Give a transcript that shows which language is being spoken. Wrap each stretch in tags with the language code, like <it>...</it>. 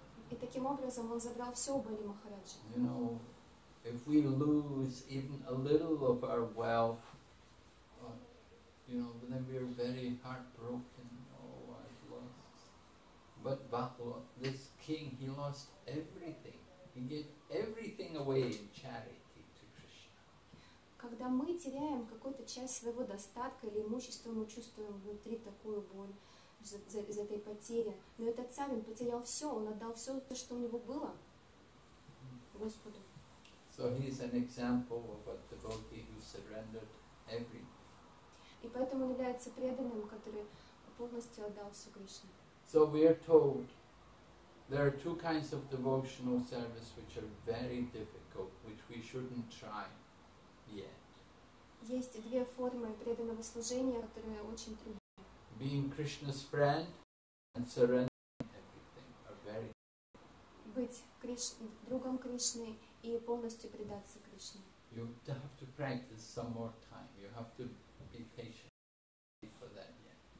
<ru>И таким образом он забрал все у Бали Махараджи.</ru> <en>You know, if we lose even a little of our wealth, you know, then we are very heartbroken. Oh, I've lost. But Bahlo, this king, he lost everything. He gave everything away in charity to Krishna.</en> <ru>Когда мы теряем какую-то часть своего достатка или имущества, мы чувствуем внутри такую боль. Из этой потери. Но этот царь, он потерял все, он отдал все то, что у него было Господу.</ru> <en>So he is an example of a devotee who surrendered everything.</en> <ru>И поэтому он является преданным, который полностью отдал все Кришне.</ru> <en>So we are told there are 2 kinds of devotional service which are very difficult, which we shouldn't try yet.</en> <ru>Есть 2 формы преданного служения, которые очень трудны.</ru> <en>Being Krishna's friend and surrendering everything are very important. You have to practice some more time. You have to be patient for that yet.</en>